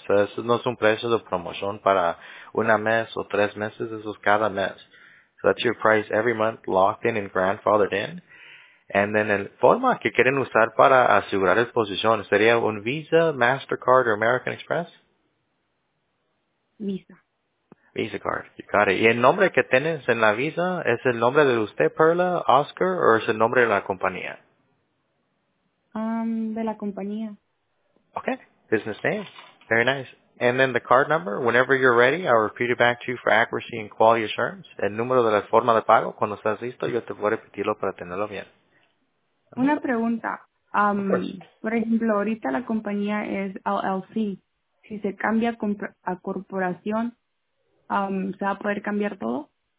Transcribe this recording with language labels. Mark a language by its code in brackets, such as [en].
[es] So, eso no es un precio de promoción para una mes o tres meses. Eso es cada mes. [en] So, that's your price every month locked in and grandfathered in. And then, [es] el forma que quieren usar para asegurar el posición sería un Visa, MasterCard, [en] or [es] American Express? Visa. [en] Visa card. You got it. [es] ¿Y el nombre que tienes en la Visa es el nombre de usted, Perla, Oscar, o es el nombre de la compañía? De la compañía. [en] Okay. Business name. Very nice. And then the card number, whenever you're ready, I'll repeat it back to you for accuracy and quality assurance. [es] El número de la forma de pago, cuando estás listo, yo te voy a repetirlo para tenerlo bien. Una pregunta. Por ejemplo, ahorita la compañía es LLC. Si se cambia a corporación, ¿se va a poder cambiar todo?